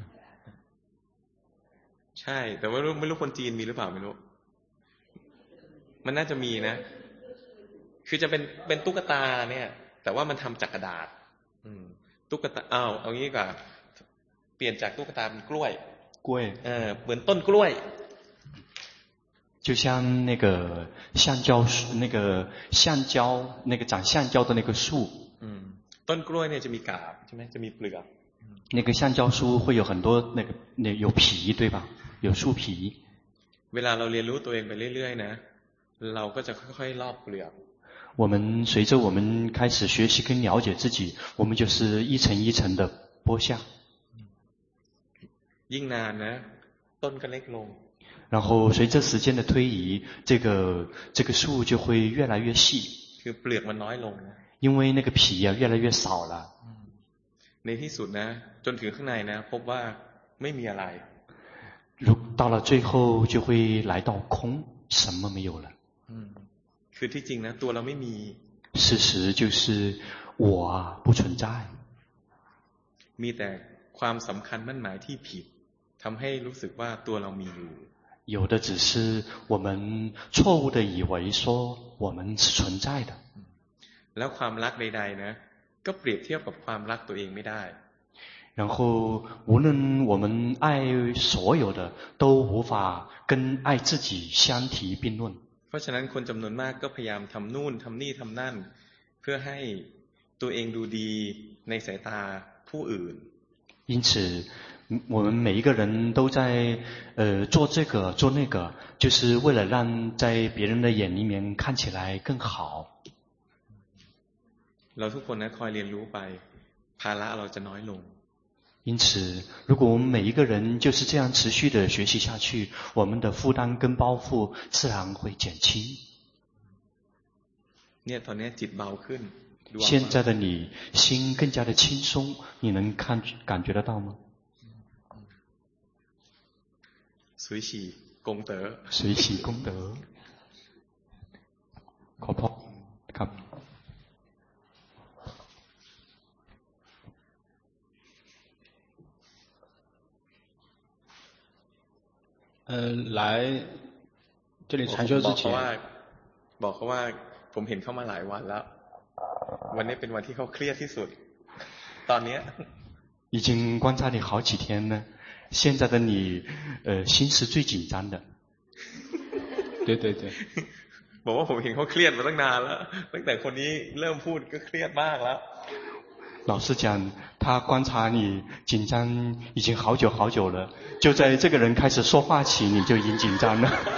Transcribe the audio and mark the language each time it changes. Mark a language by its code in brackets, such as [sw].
[th] กใช่แต่ว่าไม่รู้คนจีนมีหรือเปล่าไม่รู้มันน่าจะมีนะคือจะเป็นตุ๊กตาเนี่ยแต่ว่ามันทำจากกระดาษตุ๊กตาเอางี้ก่อนเปลี่ยนจากตุ๊กตาเป็นกล้วย กล้วย เหมือนต้นกล้วย [zh] 就像那个橡胶那个橡胶那个长橡胶的那个树 [th] ต้นกล้วยเนี่ยจะมีกาบใช่ไหมจะมีเปลือก [zh] 那个橡胶树会有很多那个那有皮对吧？有树皮。 [th] เวลาเราเรียนรู้ตัวเองไปเรื่อยๆนะเราก็จะค่อยๆลอกเปลือก。 [zh] 我们随着我们开始学习跟了解自己，我们就是一层一层的剥下。 [th] ยิ่งนานนะต้นก็เล็กลง。 [zh] 然后随着时间的推移，这个树就会越来越细。 [th] คือเปลือกมันน้อยลง。 [zh] 因为那个皮呀、啊、越来越少了。 [th] ในที่สุดนะจนถึงข้างในนะพบว่าไม่มีอะไร [zh] 到了最后就会来到空什么没有了 [th] คือที่จริงนะตัวเราไม่มี [zh] 事实就是我不存在 [th] มีแต่ความสำคัญมั่นหมายที่ผิดทำให้รู้สึกว่าตัวเรามีอยู่ [zh] 有的只是我们错误的以为说我们是存在的 [th] แล้วความรักใดๆนะก็เปรียบเทียบกับความรักตัวเองไม่ได้ [zh] 然后无论我们爱所有的都无法跟爱自己相提并论 [th] เพราะฉะนั้นคนจำนวนมากก็พยายามทำนู่นทำนี่ทำนั่นเพื่อให้ตัวเองดูดีในสายตาผู้อื่น [zh] 因此我们每一个人都在做这个做那个就是为了让在别人的眼里面看起来更好 [th] เราทุกคนนะคอยเรียนรู้ไปภาระเราจะน้อยลง [zh] 因此如果我们每一个人就是这样持续的学习下去我们的负担跟包袱自然会减轻 [th] เนี่ยตอนนี้จิตเบาขึ้น [zh] 现在的你心更加的轻松你能感觉得到吗随喜功德随喜功德 [th] ขอพอครับ [zh] 来这里禅修之前 [th] บอกเขาว่าผมเห็นเข้ามาหลายวันแล้ววันนี้เป็นวันที่เขาเครียดที่สุดตอนนี้ [zh] 已经观察你好几天呢现在的你心是最紧张的对对对 [th] บอกว่าผมเห็นเขาเครียดมาตั้งนานแล้วตั้งแต่คนนี้เริ่มพูดก็เครียดมากแล้ว [zh] 老师讲他观察你紧张已经好久好久了就在这个人开始说话起你就已经紧张了